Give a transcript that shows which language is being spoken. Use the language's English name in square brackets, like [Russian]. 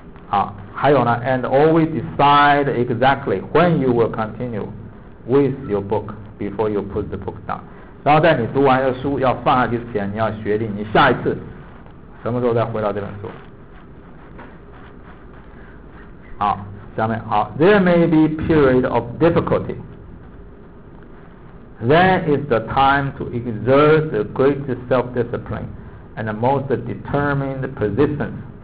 [Chinese] 啊，还有呢 [English] ，and always decide exactly when you will continue with your book before you put the book down。 [Chinese] 然后在你读完的书要放下去之前，你要决定你下一次什么时候再回到这本书。好，下面好 [English] ，there may be period of difficulty， then is the time to exert the greatest self-discipline and the most determined persistence。